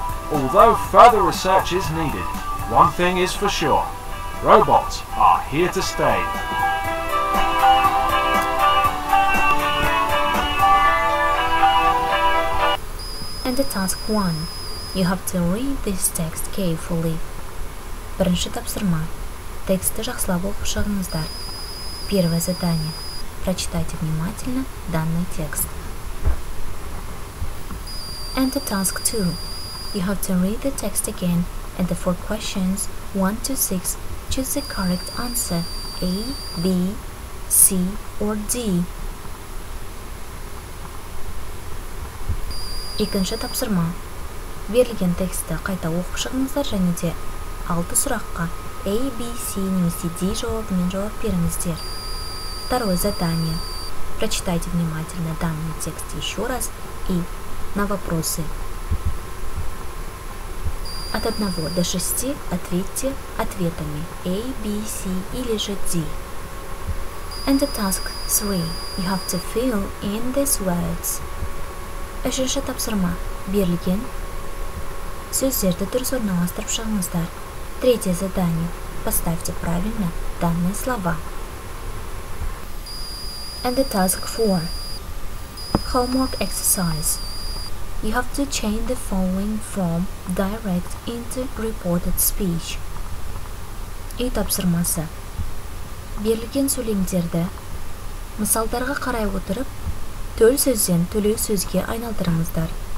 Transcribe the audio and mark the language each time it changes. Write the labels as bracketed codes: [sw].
[en] Although further research is needed, one thing is for sure, robots are here to stay. And the task one, you have to read this text carefully. [kk] Бірінші тапсырма. Тексті жақсылап оқып шығыңыздар. [ru] Первое задание. Прочитайте внимательно данный текст. [en] And the task two. You have to read the text again, and the four questions, 1 to 6, choose the correct answer, A, B, C, or D. [kk] Екінші тапсырма. Берілген текстті қайта оқып шығыңыздар және де 6 сұраққа A, B, C немесе D жауабымен жауап беріңіздер. [ru] Второе задание. Прочитайте внимательно данный текст еще раз и на вопросы. От 1 до 6 ответьте ответами A, B, C или же D. [en] And the task 3. You have to fill in these words. [kk] Үшінші тапсырма. Берілген. Сөздерді дұрыс орналастырып шығыңыздар. [ru] Третье задание. Поставьте правильно данные слова. [en] And the task 4. Homework exercise. You have to change the following from direct into reported speech. [kk] И тапсырмасы. Берілген сөйлемдерді мысалдарға қарай отырып, төл сөзден төлеу сөзге айналдырыңыздар.